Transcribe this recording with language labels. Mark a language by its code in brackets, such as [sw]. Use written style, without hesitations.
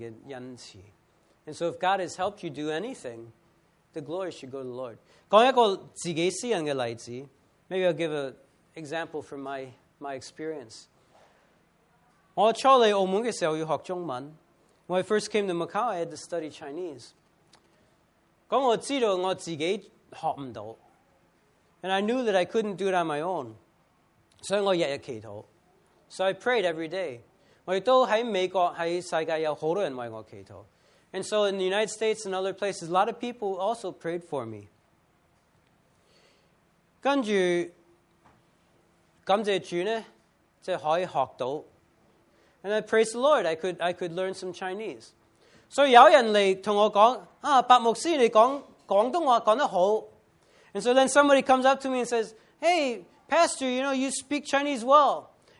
[en] And so if God has helped you do anything, the glory should go to the Lord. Maybe I'll give an example from my experience. [zh] 我初来澳门的时候要学中文。 [en] When I first came to Macau, I had to study Chinese. [zh] 咁我知道我自己学唔到, [en] and I knew that I couldn't do it on my own. [zh] 所以我日日祈祷. [en] So I prayed every day. [zh] 我亦都喺美国喺世界有好多人为我祈祷. [en] And so in the United States and other places, a lot of people also prayed for me. [zh] 跟住感谢主呢，即系可以学到。 [en] And I praise the Lord, I could learn some Chinese. [zh] So 有人来跟我说，啊，白牧师，你讲广东话讲得好。 [en] And so then somebody comes up to me and says, hey, pastor, you know, you speak Chinese well.